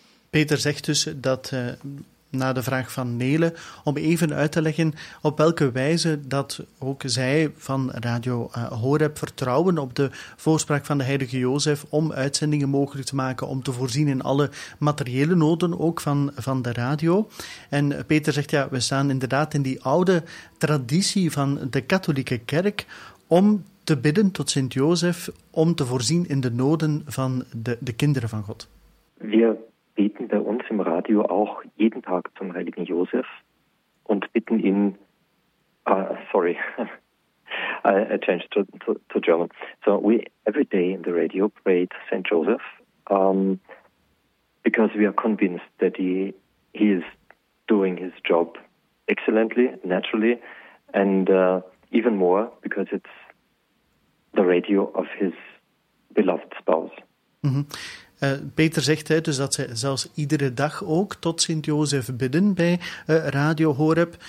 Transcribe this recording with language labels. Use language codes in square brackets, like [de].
[nl] Peter zegt dus dat, na de vraag van Nele, om even uit te leggen op welke wijze dat ook zij van Radio Horeb vertrouwen op de voorspraak van de heilige Jozef om uitzendingen mogelijk te maken, om te voorzien in alle materiële noden ook van de radio. En Peter zegt, ja, we staan inderdaad in die oude traditie van de katholieke kerk om te bidden tot Sint Jozef, om te voorzien in de noden van de kinderen van God. Ja. [de] Beten bei uns im Radio auch jeden Tag zum heiligen Josef und bitten ihn, [en] sorry, I changed to German. So we every day in the radio pray to Saint Joseph, because we are convinced that he is doing his job excellently, naturally, and even more because it's the radio of his beloved spouse. Mm-hmm. [nl] Peter zegt dus dat ze zelfs iedere dag ook tot Sint-Jozef bidden bij Radio Horeb.